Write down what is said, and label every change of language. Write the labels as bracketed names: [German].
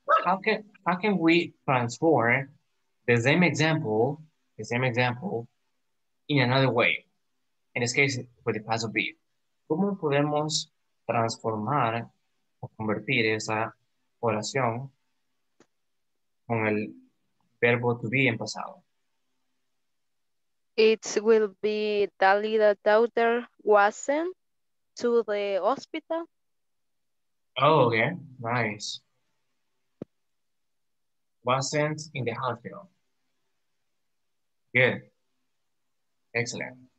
[English] How can we transform the same example, in another way? In this case, with the past of be. [Spanish] ¿Cómo podemos transformar o convertir esa oración con el verbo to be en pasado? [English] It will be Dalila daughter wasn't to the hospital. Oh, okay, nice. Wasn't in the hospital. Good. Excellent.